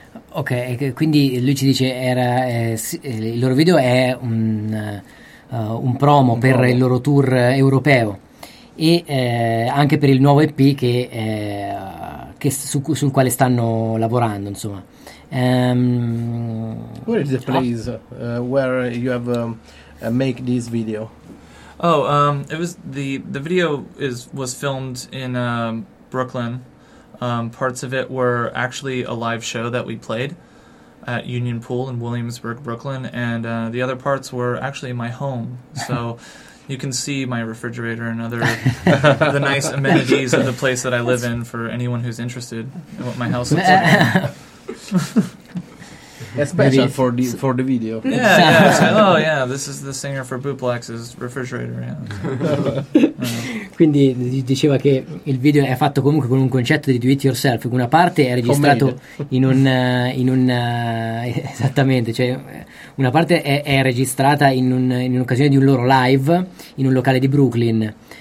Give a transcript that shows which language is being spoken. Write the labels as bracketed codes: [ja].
[it] Ok, quindi lui ci dice era il loro video è un promo per il loro tour europeo e anche per il nuovo EP sul quale stanno lavorando, insomma. [en] Where is the place where you have make this video? Oh, it was the video was filmed in Brooklyn. Parts of it were actually a live show that we played at Union Pool in Williamsburg, Brooklyn, and the other parts were actually my home. So You can see my refrigerator and other the nice amenities of the place that I live in for anyone who's interested in what my house looks like. Especially for the video. Yeah, this is the singer for Bootblax's refrigerator. Yeah. [it] Quindi diceva che il video è fatto comunque con un concetto di [en] do it yourself. [it] Una parte è registrato esattamente, cioè una parte è registrata in un'occasione di un loro live in un locale di Brooklyn.